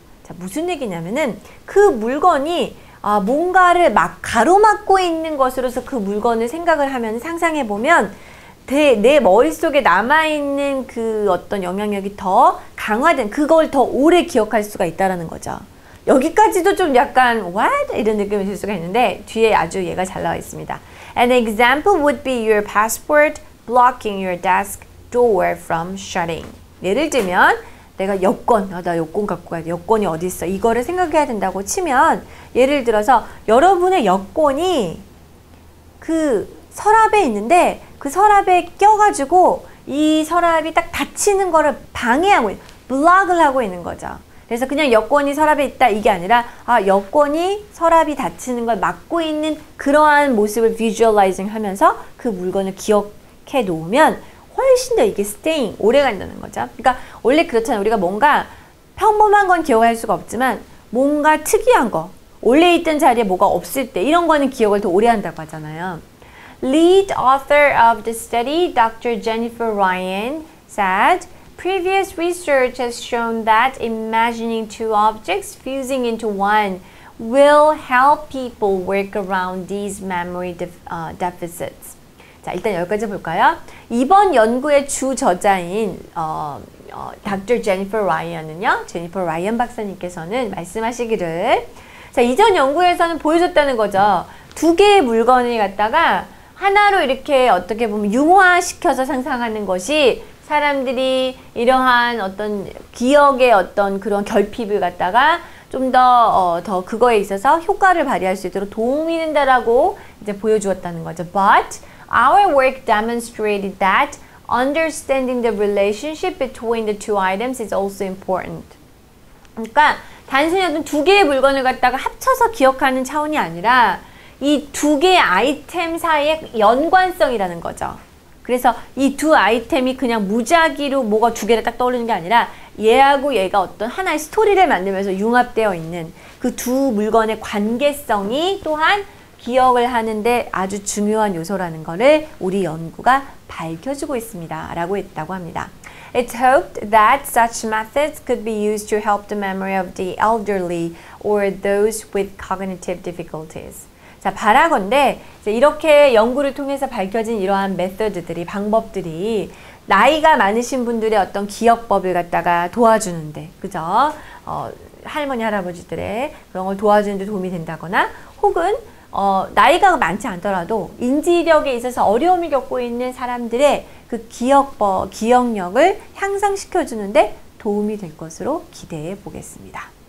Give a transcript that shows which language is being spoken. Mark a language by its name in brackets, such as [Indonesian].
[Korean] 자, 무슨 얘기냐면은 그 물건이 뭔가를 막 가로막고 있는 것으로서 그 물건을 생각을 하면 상상해보면 내 머릿속에 남아있는 그 어떤 영향력이 더 강화된 그걸 더 오래 기억할 수가 있다는 거죠. 여기까지도 좀 약간 what? 이런 느낌이 들 수가 있는데 뒤에 아주 얘가 잘 나와 있습니다. [English] An example would be your passport blocking your desk door from shutting. [Korean] 예를 들면 내가 여권, 나 여권 갖고 가야 돼. 여권이 어디 있어? 이거를 생각해야 된다고 치면 예를 들어서 여러분의 여권이 그 서랍에 있는데 그 서랍에 껴가지고 이 서랍이 딱 닫히는 거를 방해하고 블락을 하고 있는 거죠. 그래서 그냥 여권이 서랍에 있다 이게 아니라 여권이 서랍이 닫히는 걸 막고 있는 그러한 모습을 비주얼라이징 하면서 그 물건을 기억해 놓으면 훨씬 더 이게 스테잉, 오래간다는 거죠. 그러니까 원래 그렇잖아요. 우리가 뭔가 평범한 건 기억할 수가 없지만 뭔가 특이한 거, 원래 있던 자리에 뭐가 없을 때 이런 거는 기억을 더 오래한다고 하잖아요. [English] Lead author of the study, Dr. Jennifer Ryan, said previous research has shown that imagining two objects fusing into one will help people work around these memory deficits. [Korean] 자, 일단 여기까지 볼까요? 이번 연구의 주 저자인 Dr. Jennifer Ryan은요. Jennifer Ryan 박사님께서는 말씀하시기를 자, 이전 연구에서는 보여줬다는 거죠. 두 개의 물건을 갖다가 하나로 이렇게 어떻게 보면 융화시켜서 상상하는 것이 사람들이 이러한 어떤 기억의 어떤 그런 결핍을 갖다가 좀 더 그거에 있어서 효과를 발휘할 수 있도록 도움이 된다라고 이제 보여주었다는 거죠. But [English] Our work demonstrated that understanding the relationship between the two items is also important. [Korean] 그러니까 단순히 어떤 두 개의 물건을 갖다가 합쳐서 기억하는 차원이 아니라 이 두 개의 아이템 사이의 연관성이라는 거죠. 그래서 이 두 아이템이 그냥 무작위로 뭐가 두 개를 딱 떠오르는 게 아니라 얘하고 얘가 어떤 하나의 스토리를 만들면서 융합되어 있는 그 두 물건의 관계성이 또한 기억을 하는데 아주 중요한 요소라는 것을 우리 연구가 밝혀주고 있습니다. 라고 했다고 합니다. [English] It's hoped that such methods could be used to help the memory of the elderly or those with cognitive difficulties. [Korean] 자, 바라건대 이제 이렇게 연구를 통해서 밝혀진 이러한 메서드들이, 방법들이 나이가 많으신 분들의 어떤 기억법을 갖다가 도와주는데, 그죠? 할머니, 할아버지들의 그런 걸 도와주는데 도움이 된다거나, 혹은 나이가 많지 않더라도 인지력에 있어서 어려움을 겪고 있는 사람들의 그 기억력을 향상시켜주는데 도움이 될 것으로 기대해 보겠습니다.